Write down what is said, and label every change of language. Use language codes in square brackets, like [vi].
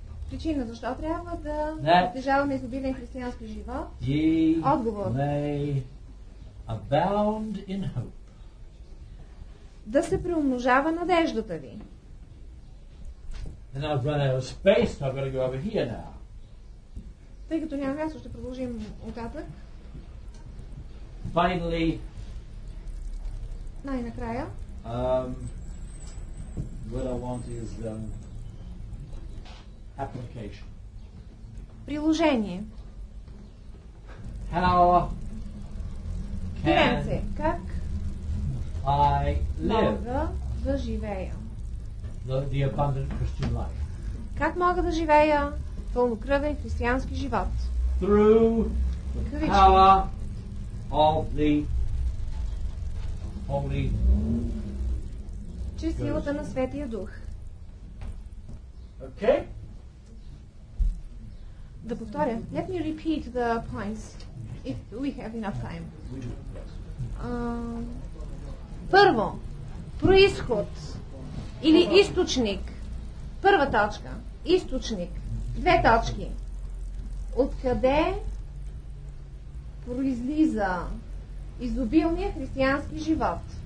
[bg] Причина защо трябва да притежаваме изобилен християнски живот? Отговор. [en] May abound in hope. [bg] Да се приумножава надеждата ви. [en] And I've run out of space, so I've got to go over here now. [bg] Тъй като няма място, ще продължим оттатък. [en] Finally. [bg] Най-накрая. [en] What I want is application. [bg] Приложение. [en] How can [bg] как [en] I live? [bg] Мога да живея. [en] The abundant Christian life. [bg] Как мога да живея пълнокръвен християнски живот? [en] Through the power of the Holy [bg] чрез силата на Светия Дух. [en] Okay. [bg] Да повторя. [en] Let me repeat the points if we have enough time. [bg] Първо, произход или източник. Първа точка. Източник. Две точки. Откъде произлиза изобилния християнски живот?